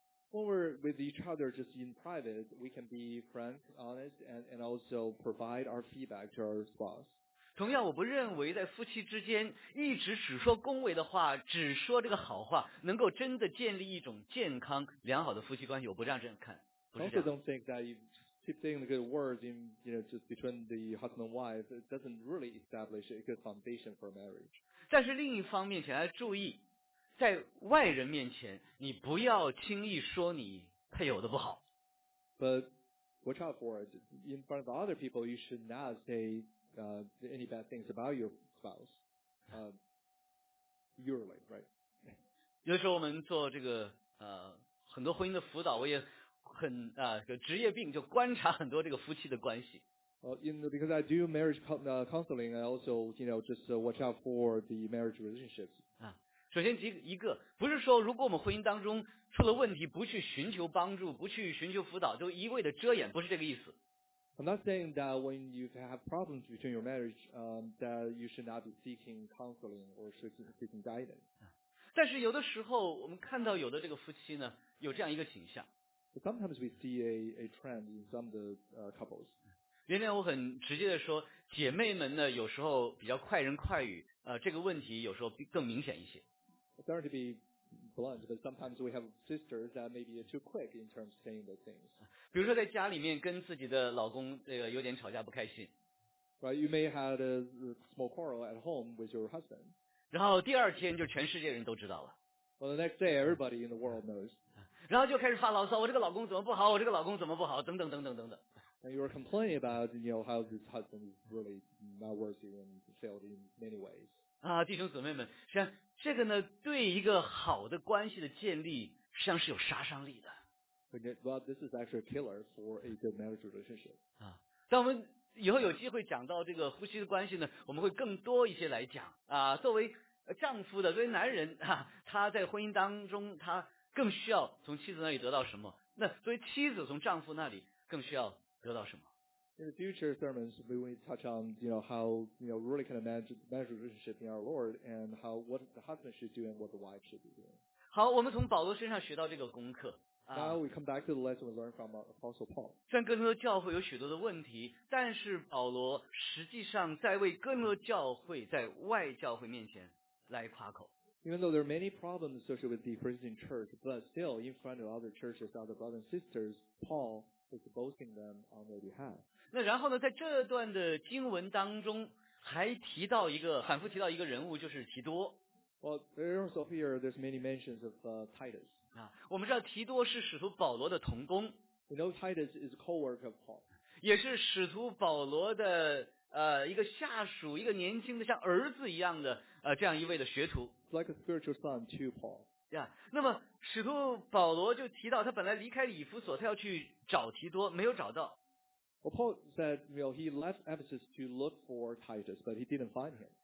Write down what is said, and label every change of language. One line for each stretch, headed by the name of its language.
English: When we're with each other just in private, we can be frank, honest, and also provide our feedback to our spouse.
Chinese: 同样，我不认为在夫妻之间一直只说恭维的话，只说这个好话，能够真的建立一种健康良好的夫妻关系。我不这样这样看，不是这样。
English: Also, don't think that you keep saying the good words in, just between the husband and wife, it doesn't really establish a good foundation for marriage.
Chinese: 但是另一方面，请大家注意，在外人面前，你不要轻易说你配偶的不好。
English: But watch out for it. In front of other people, you should not say. Any bad things about your spouse, your life, right?
Chinese: 有时候我们做这个很多婚姻的辅导，我也很职业病就观察很多这个夫妻的关系。
English: Because I do marriage counseling, I also just watch out for the marriage relationships.
Chinese: 首先一个，不是说如果我们婚姻当中出了问题，不去寻求帮助，不去寻求辅导，就一味的遮掩，不是这个意思。
English: I'm not saying that when you have problems between your marriage, that you should not be seeking counseling or seeking guidance.
Chinese: 但是有的时候，我们看到有的这个夫妻呢，有这样一个倾向。
English: But、sometimes we see a trend in some of the couples.
Chinese: 原来我很直接的说，姐妹们呢，有时候比较快人快语，这个问题有时候更明显一些。
English: Sorry to be blunt, but sometimes we have sisters that may be too quick in terms of saying those things.
Chinese: 比如说在家里面跟自己的老公有点吵架不开心。
English: Right, you may have a small quarrel at home with your husband.
Chinese: 然后第二天就全世界人都知道了。
English: Well, the next day everybody in the world knows.
Chinese: 然后就开始发牢骚，我这个老公怎么不好，我这个老公怎么不好，等等等等等等。
English: And you are complaining about, how this husband is really not worthy and failed in many ways.
Chinese: 啊，弟兄姊妹们，实际上这个呢，对一个好的关系的建立，实际上是有杀伤力的。
English: Well, this is actually a killer for a good marriage relationship.
Chinese: 当我们以后有机会讲到这个夫妻的关系呢，我们会更多一些来讲啊。作为丈夫的，作为男人啊，他在婚姻当中，他更需要从妻子那里得到什么？那作为妻子，从丈夫那里更需要得到什么
English: ？In the future sermons, we will touch on how really kind of manage relationship in our Lord and how what the husband should do and what the wife should be doing.
Chinese: 好，我们从保罗身上学到这个功课。
English: Now we come back to the lesson we learned from Apostle Paul.
Chinese: 虽然哥林多教会有许多的问题，但是保罗实际上在为哥林多教会在外教会面前来夸口。
English: Even though there are many problems associated with the Christian church, but still in front of other churches, other brothers and sisters, Paul is boasting them on their behalf.
Chinese: 那然后呢，在这段的经文当中还提到一个，反复提到一个人物，就是提多。
English: Well, there also here there's many mentions of Titus.
Chinese: 啊，我们知道提多是使徒保罗的同工。
English: You know, Titus is a co-worker of Paul.
Chinese: 也是使徒保罗的一个下属，一个年轻的像儿子一样的这样一位的学徒。
English: Like a spiritual son to Paul.
Chinese: 对啊，那么使徒保罗就提到他本来离开以弗所，他要去找提多，没有找到。
English: Well, Paul said, he left Ephesus to look for Titus, but he didn't find him.